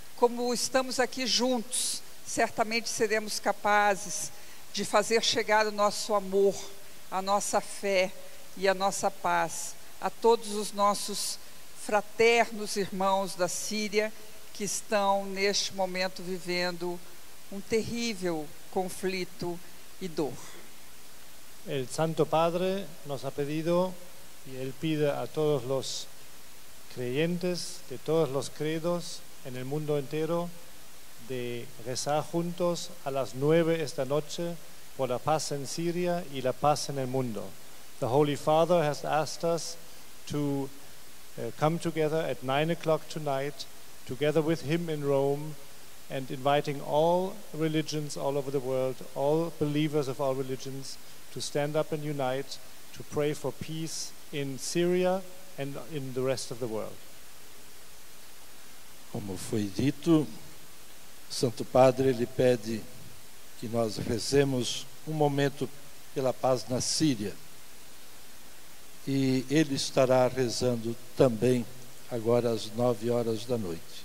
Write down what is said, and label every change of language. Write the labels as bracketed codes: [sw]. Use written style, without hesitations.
[pt] Como estamos aqui juntos, certamente seremos capazes de fazer chegar o nosso amor, a nossa fé e a nossa paz a todos os nossos fraternos irmãos da Síria que estão neste momento vivendo terrível conflito e dor. [es] El Santo Padre nos ha pedido y él pide a todos los creyentes de todos los credos en el mundo entero de rezar juntos a las 9 esta noche por la paz en Siria y la paz en el mundo. [en] The Holy Father has asked us to come together at 9 o'clock tonight, together with him in Rome, and inviting all religions all over the world, all believers of all religions, to stand up and unite to pray for peace in Syria and in the rest of the world. [pt] Como foi dito, Santo Padre ele pede que nós rezemos momento pela paz na Síria. E ele estará rezando também agora às 9 horas da noite.